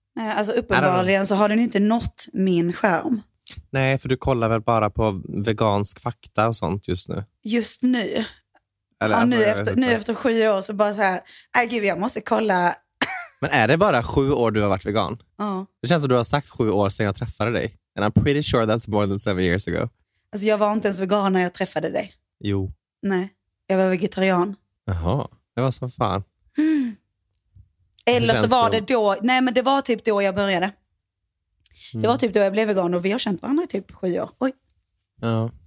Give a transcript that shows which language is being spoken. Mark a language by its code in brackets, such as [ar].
[sv] Nej, alltså uppenbarligen så har den inte nått min skärm. Nej, för du kollar väl bara på vegansk fakta och sånt just nu. Just nu? Eller, ja, nu, nu efter 7 år så bara så här... Nej gud, jag måste kolla... Men är det bara 7 år du har varit vegan? Ja. Det känns som du har sagt 7 år sedan jag träffade dig. [en] And I'm pretty sure that's more than 7 years ago. [sv] Alltså jag var inte ens vegan när jag träffade dig. Jo. Nej, jag var vegetarian. Jaha, det var som fan. Eller så var det då... Nej, men det var typ då jag började. Det var typ då jag blev vegan och vi har känt varandra i typ 7 år. Oj. Ja.